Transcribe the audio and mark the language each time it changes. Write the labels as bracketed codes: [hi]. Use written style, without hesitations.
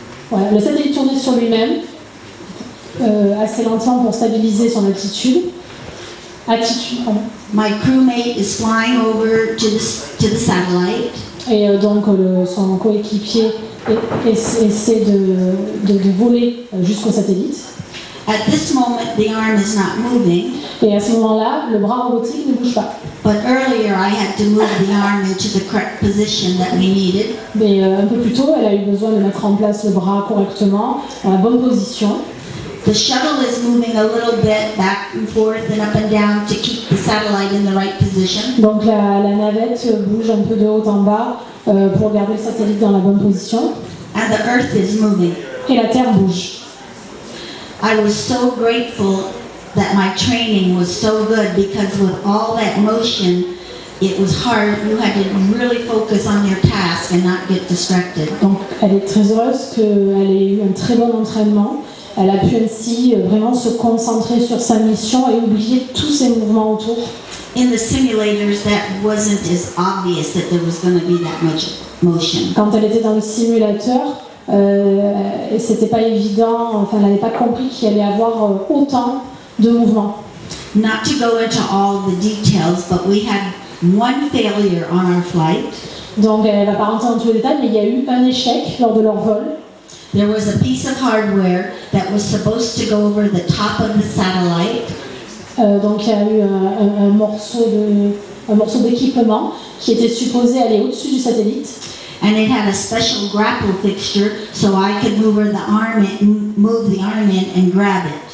[fr] Ouais, le satellite tournait sur lui-même assez lentement pour stabiliser son attitude. [en] My crewmate is flying over to the satellite. [fr] Et donc son coéquipier essaie de voler jusqu'au satellite. [en] At this moment, the arm is not moving. [fr] Et à ce moment-là, le bras robotique ne bouge pas. [en] But earlier, I had to move the arm into the correct position that we needed. [fr] Mais un peu plus tôt, elle a eu besoin de mettre en place le bras correctement, dans la bonne position. [en] The shuttle is moving a little bit back and forth and up and down to keep the satellite in the right position. [fr] Donc la navette bouge un peu de haut en bas pour garder le satellite dans la bonne position. [en] And the Earth is moving. [fr] Et la Terre bouge. [en] I was so grateful that my training was so good because with all that motion, it was hard. You had to really focus on your task and not get distracted. [fr] Donc, elle est très heureuse qu'elle ait eu un très bon entraînement. Elle a pu ainsi vraiment se concentrer sur sa mission et oublier tous ses mouvements autour. [en] In the simulators, that wasn't as obvious that there was going to be that much motion. [fr] Quand elle était dans le simulateur, et c'était pas évident, enfin elle n'avait pas compris qu'il allait y avoir autant de mouvements. [en] Not to go into all the details, but we had one failure on our flight. [fr] Donc elle va pas rentrer dans tous les détails, mais il y a eu un échec lors de leur vol. [en] There was a piece of hardware that was supposed to go over the top of the satellite. [fr] Donc il y a eu un morceau d'équipement qui était supposé aller au-dessus du satellite. [en] And it had a special grapple fixture, so I could move the arm in and grab it.